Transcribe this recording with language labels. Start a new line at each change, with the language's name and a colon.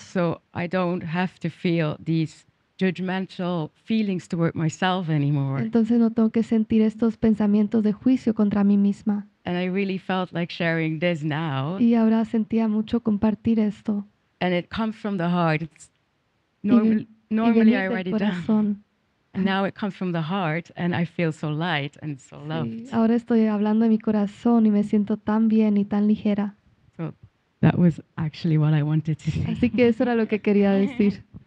English: So I don't have to feel these judgmental feelings toward myself anymore.
Spanish: Entonces no tengo que sentir estos pensamientos de juicio contra mí misma.
English: And I really felt like sharing this now.
Spanish: Y ahora sentía mucho compartir esto.
English: And it comes from the heart. It's normally I write it down. Now it comes from the heart and I feel so light and so loved.
Spanish: Sí. Ahora estoy hablando de mi corazón y me siento tan bien y tan ligera.
English: So that was actually what I wanted to say.
Spanish: Así que eso era lo que quería decir.